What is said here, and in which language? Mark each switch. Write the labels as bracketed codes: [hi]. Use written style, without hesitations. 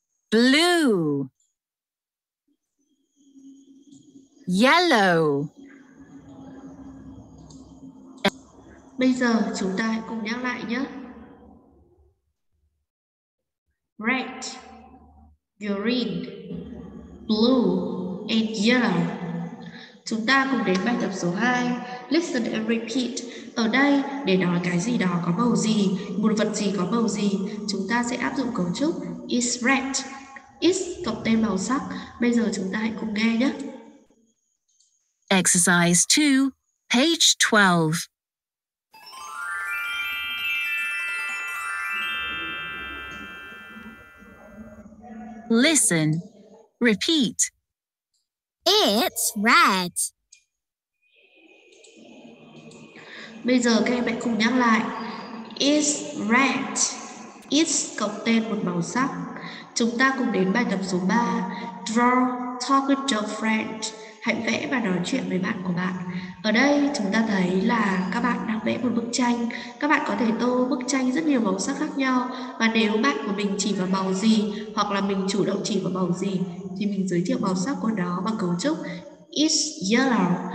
[en] Blue. Yellow. [vi] Bây giờ chúng ta hãy cùng nhắc lại nhé. [en] Red, green, blue and yellow. [vi] Chúng ta cùng đến bài tập số 2. [en] Listen and repeat. [vi] Ở đây, để nói cái gì đó có màu gì, một vật gì có màu gì, chúng ta sẽ áp dụng cấu trúc is red. Is cộng tên màu sắc. Bây giờ chúng ta hãy cùng nghe nhé. [en] Exercise 2, page 12. Listen. Repeat. It's red. [vi] Bây giờ các em hãy cùng nhắc lại. [en] It's red. [vi] It's cộng tên một màu sắc. Chúng ta cùng đến bài tập số 3. [en] Draw, talk with your friend. [vi] Hãy vẽ và nói chuyện với bạn của bạn. Ở đây chúng ta thấy là các bạn đang vẽ một bức tranh. Các bạn có thể tô bức tranh rất nhiều màu sắc khác nhau. Và nếu bạn của mình chỉ vào màu gì hoặc là mình chủ động chỉ vào màu gì thì mình giới thiệu màu sắc của nó bằng cấu trúc [en] it's yellow.